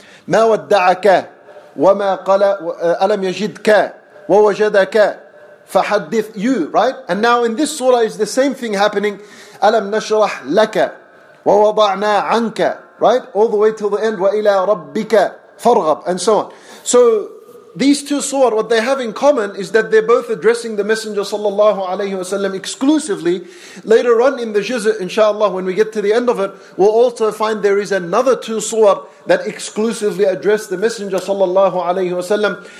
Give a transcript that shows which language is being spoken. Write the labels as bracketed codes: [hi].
[ar] مَا وَدَّعَكَ وَمَا قَلَ أَلَمْ يَجِدْكَ وَوَجَدَكَ فَحَدِّثْ [en] you, right? And now in this surah is the same thing happening. [ar] أَلَمْ نَشْرَحْ لَكَ وَوَضَعْنَا عَنْكَ, right? [en] All the way till the end. [ar] وَإِلَىٰ رَبِّكَ فَرْغَبْ, [en] and so on. So these two surah, what they have in common is that they're both addressing the Messenger sallallahu alayhi wa sallam exclusively. Later on in the juz', inshallah, when we get to the end of it, we'll also find there is another two surah that exclusively address the Messenger sallallahu alayhi wa sallam.